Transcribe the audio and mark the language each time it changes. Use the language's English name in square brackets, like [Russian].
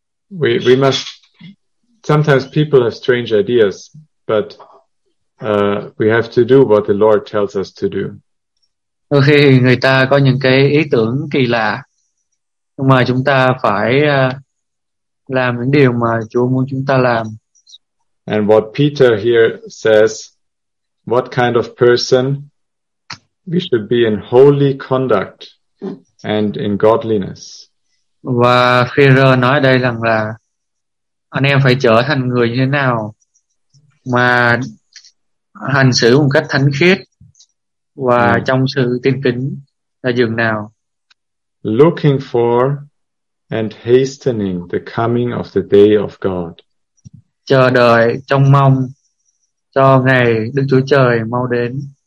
[English] We must, sometimes people have strange ideas, but we have to do what the Lord tells us to do. [Vietnamese] Đôi khi người ta có những cái ý tưởng kỳ lạ, nhưng mà chúng ta phải làm những điều mà Chúa muốn chúng ta làm. [English] And what Peter here says what kind of person we should be in holy conduct and in godliness. [Vietnamese] Và Führer nói đây rằng là anh em phải trở thành người như thế nào mà hành xử một cách thánh khiết và trong sự tin kính là dường nào. [English] Looking for and hastening the coming of the day of God. [Vietnamese] Chờ đợi trông mong cho ngày Đức Chúa Trời mau đến.